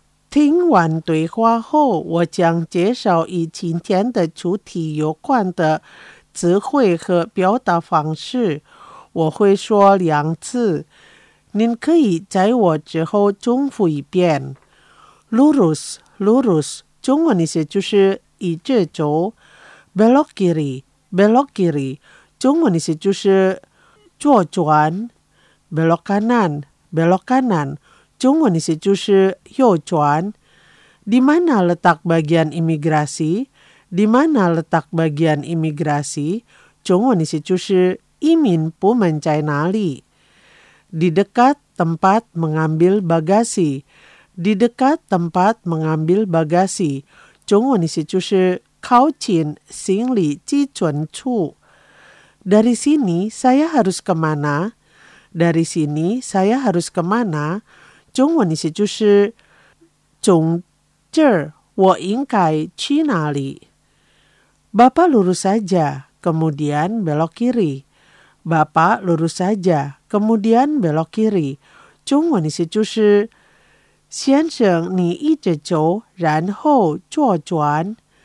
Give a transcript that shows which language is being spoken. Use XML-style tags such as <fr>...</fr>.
<zh>Tengwan dui hua hou, wajang jesau yi cintian de cuti yukuan de 词汇和表达方式，我会说两次，您可以在我之后重复一遍。</zh> <id>Lurus, lurus，</id> <zh>中文意思就是一直走。</zh> <id>Belok kiri, belok kiri，</id> <zh>中文意思就是左转。</zh> <id>Belok kanan, belok kanan，</id> <zh>中文意思就是右转。</zh> <id>Di mana letak bagian imigrasi？ Di mana letak bagian imigrasi?</id> <zh>中文意思就是移民部门在哪里？</zh> <id>Di dekat tempat mengambil bagasi. Di dekat tempat mengambil bagasi.</id> <zh>中文意思就是靠近行李寄存处。</zh> <id>Dari sini saya harus kemana? Dari sini saya harus kemana?</id> <zh>中文意思就是从这儿我应该去哪里？</zh> <id>Bapak lurus saja, kemudian belok kiri. Bapak lurus saja, kemudian belok kiri.</id> <zh>中文意思就是先生，你一直走，然后左转。</zh>